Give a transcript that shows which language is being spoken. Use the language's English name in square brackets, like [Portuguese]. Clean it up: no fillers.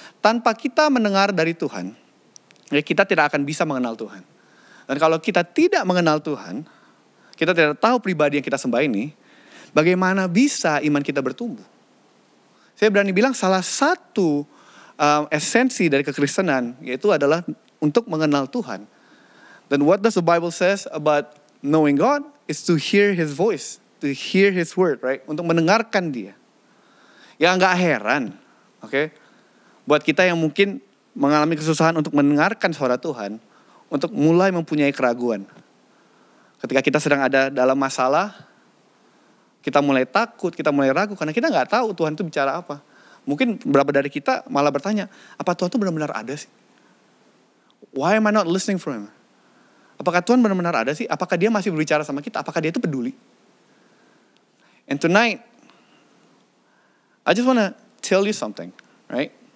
[Indonesian] Tanpa kita mendengar dari Tuhan, okay, kita tidak akan bisa mengenal Tuhan. Dan kalau kita tidak mengenal Tuhan, kita tidak tahu pribadi yang kita sembah ini, bagaimana bisa iman kita bertumbuh? Saya berani bilang salah satu esensi dari kekristenan yaitu adalah untuk mengenal Tuhan. [English] Then what does the Bible says about knowing God is to hear His voice, to hear His word, right? [Indonesian] Untuk mendengarkan Dia. Ya nggak heran, oke? Okay? Buat kita yang mungkin mengalami kesusahan untuk mendengarkan suara Tuhan, untuk mulai mempunyai keraguan. Ketika kita sedang ada dalam masalah, kita mulai takut, kita mulai ragu, karena kita gak tahu Tuhan itu bicara apa. Mungkin beberapa dari kita malah bertanya, apa Tuhan itu benar-benar ada sih? [English] Why am I not listening for Him? [Indonesian] Apakah Tuhan benar-benar ada sih? Apakah Dia masih berbicara sama kita? Apakah Dia itu peduli? [English] And tonight, I just wanna tell you something, right?